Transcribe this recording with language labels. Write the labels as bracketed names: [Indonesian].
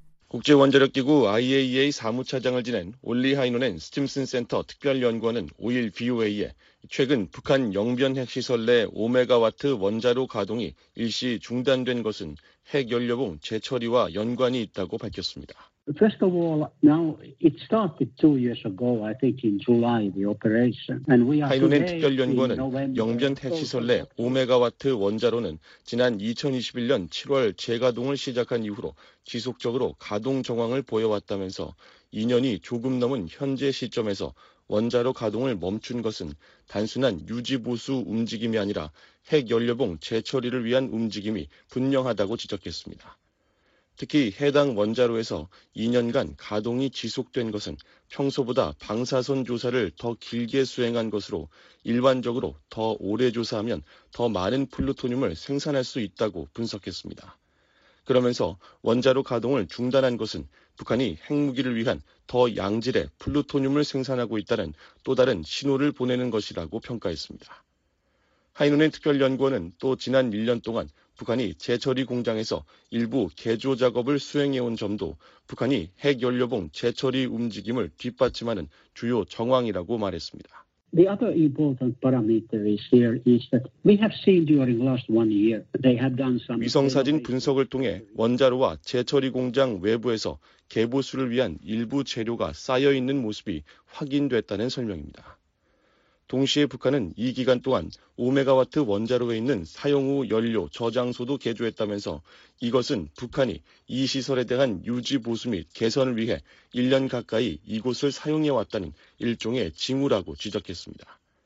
[Korean] 국제원자력기구 IAEA 사무차장을 지낸 올리하이논 앤 스팀슨 센터 특별연구원은 5일 VOA에 최근 북한 영변 핵시설 내 5메가와트 원자로 가동이 일시 중단된 것은 핵연료봉 재처리와 연관이 있다고 밝혔습니다. [English] First of all, now it started 2 years ago, I think in July, the operation. And we are [Korean] 하이노넨 특별연구원은 영변 핵시설 내 5메가와트 원자로는 지난 2021년 7월 재가동을 시작한 이후로 지속적으로 가동 정황을 보여왔다면서 2년이 조금 넘은 현재 시점에서 원자로 가동을 멈춘 것은 단순한 유지보수 움직임이 아니라 핵연료봉 재처리를 위한 움직임이 분명하다고 지적했습니다. 특히 해당 원자로에서 2년간 가동이 지속된 것은 평소보다 방사선 조사를 더 길게 수행한 것으로 일반적으로 더 오래 조사하면 더 많은 플루토늄을 생산할 수 있다고 분석했습니다. 그러면서 원자로 가동을 중단한 것은 북한이 핵무기를 위한 더 양질의 플루토늄을 생산하고 있다는 또 다른 신호를 보내는 것이라고 평가했습니다. 하이노넨 특별연구원은 또 지난 1년 동안 북한이 재처리 공장에서 일부 개조 작업을 수행해온 점도 북한이 핵연료봉 재처리 움직임을 뒷받침하는 주요 정황이라고 말했습니다. [English] The other important parameter is here is that we have seen during last 1 year they have done some [Korean] 위성사진 분석을 통해 원자로와 재처리 공장 외부에서 개보수를 위한 일부 재료가 쌓여 있는 모습이 확인됐다는 설명입니다. 동시에 북한은 이 기간 동안 5메가와트 원자로에 있는 사용 후 연료 저장소도 개조했다면서 이것은 북한이 이 시설에 대한 유지 보수 및 개선을 위해 1년 가까이 이곳을 사용해왔다는 일종의 징후라고 지적했습니다.